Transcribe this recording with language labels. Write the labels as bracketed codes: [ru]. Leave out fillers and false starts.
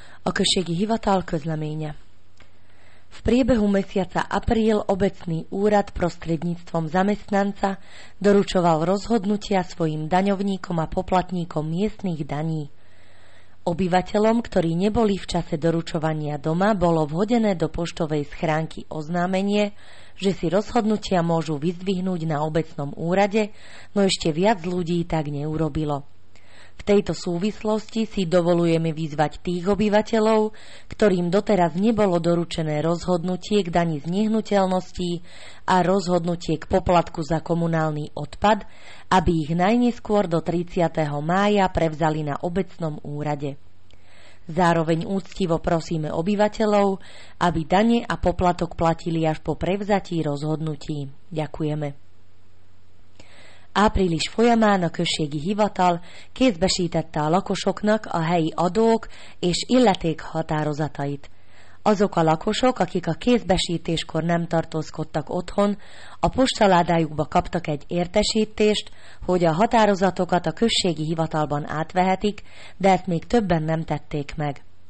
[hu] Okršek Hivatal Közleménye. [sk] V priebehu mesiaca apríl obecný úrad prostredníctvom zamestnanca doručoval rozhodnutia svojim daňovníkom a poplatníkom miestnych daní. Obyvateľom, ktorí neboli v čase doručovania doma, bolo vhodené do poštovej schránky oznámenie, že si rozhodnutia môžu vyzdvihnúť na obecnom úrade, no ešte viac ľudí tak neurobilo. V tejto súvislosti si dovolujeme vyzvať tých obyvateľov, ktorým doteraz nebolo doručené rozhodnutie k dani z nehnuteľností a rozhodnutie k poplatku za komunálny odpad, aby ich najneskôr do 30. mája prevzali na obecnom úrade. Zároveň úctivo prosíme obyvateľov, aby dane a poplatok platili až po prevzatí rozhodnutí. Ďakujeme. [hu] Április folyamán a községi hivatal kézbesítette a lakosoknak a helyi adók és illeték határozatait. Azok a lakosok, akik a kézbesítéskor nem tartózkodtak otthon, a postaládájukba kaptak egy értesítést, hogy a határozatokat a községi hivatalban átvehetik, de ezt még többen nem tették meg.